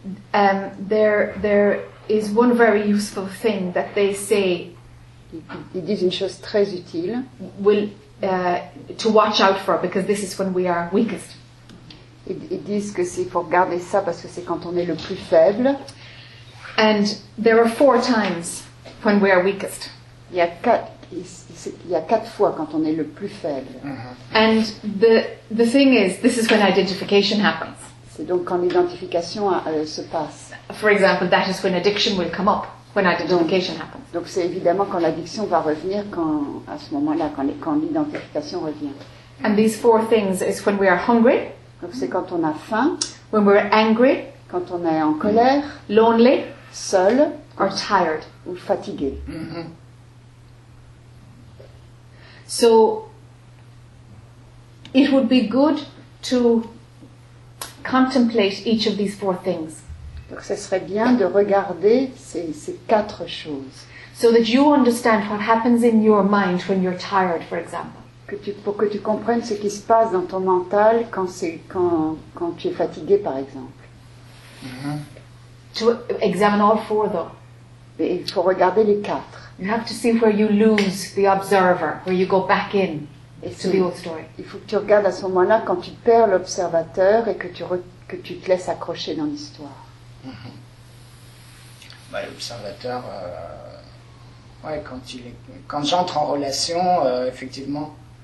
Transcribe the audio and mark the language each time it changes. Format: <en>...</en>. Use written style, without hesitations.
<en>There is one very useful thing that they say.</en> <fr>Ils disent une chose très utile.</fr> <en>To watch out for, because this is when we are weakest.</en> <fr>Ils disent que c'est pour garder ça parce que c'est quand on est le plus faible.</fr> <en>And there are four times when we are weakest.</en> <fr>Il y a quatre fois quand on est le plus faible. Mm-hmm.</fr> <en>And the thing is, this is when identification happens.</en> <fr>C'est donc quand l'identification se passe.</fr> <en>For example, that is when addiction will come up, when identification happens.</en> <fr>Donc c'est évidemment quand l'addiction va revenir, à ce moment-là, quand l'identification revient.</fr> <en>And these four things is when we are hungry.</en> <fr>Donc c'est quand on a faim.</fr> <en>When we're angry.</en> <fr>Quand on est en colère.</fr> <en>Lonely.</en> <fr>Seul.</fr> <en>Or tired.</en> <fr>Ou fatigué. Mm-hmm.</fr> <en>So, it would be good to contemplate each of these four things.</en> <fr>Donc, ce serait bien de regarder ces quatre choses.</fr> <en>So that you understand what happens in your mind when you're tired, for example.</en> <fr>pour que tu comprennes ce qui se passe dans ton mental quand c'est quand tu es fatigué, par exemple.</fr> <en>Mm-hmm. To examine all four, though.</en> <fr>Il faut regarder les quatre.</fr> <en>You have to see where you lose the observer, where you go back in. Et to the old story.</en> <fr>Il faut que tu regardes à ce moment-là quand tu perds l'observateur et que tu te laisses accrocher dans l'histoire. Mm-hmm. Bah, l'observateur, ouais, quand j'entre en relation, effectivement.</fr>